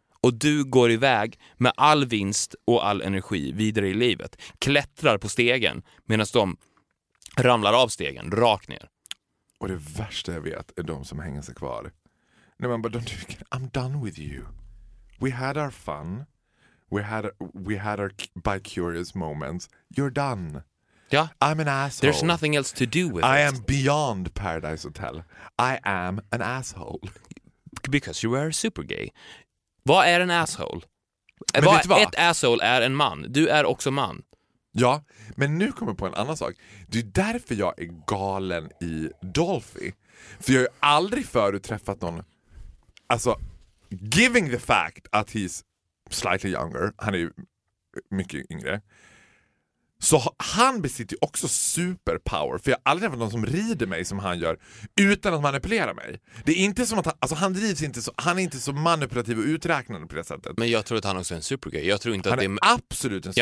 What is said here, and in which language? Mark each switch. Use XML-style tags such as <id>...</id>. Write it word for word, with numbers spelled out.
<sv>Och du går iväg med all vinst och all energi vidare i livet. Klättrar på stegen medan de ramlar av stegen, rakt ner. Och det värsta jag vet är de som hänger sig kvar. När man bara,</sv> <en>don't you, I'm done with you. We had our fun. We had, we had our bi-curious moments. You're done.</en> <sv>Ja.</sv> <en>I'm an asshole. There's nothing else to do with I it. I am beyond Paradise Hotel. I am an asshole. Because you were super gay.</en> <sv>Vad är en asshole? Vad, vad? Ett asshole är en man. Du är också man. Ja, men nu kommer jag på en annan sak. Det är därför jag är galen i Dolphy. För jag har ju aldrig förut träffat någon...</sv> <en>Alltså, giving the fact att he's slightly younger.</en> <sv>Han är ju mycket yngre. Så han besitter ju också superpower. För jag har aldrig träffat någon som rider mig som han gör utan att manipulera mig. Det är inte som att han, alltså han drivs inte så, han är inte så manipulativ och uträknande på det sättet. Men jag tror att han också är en supergay. Jag tror inte han att är det är absolut en supergay.</sv>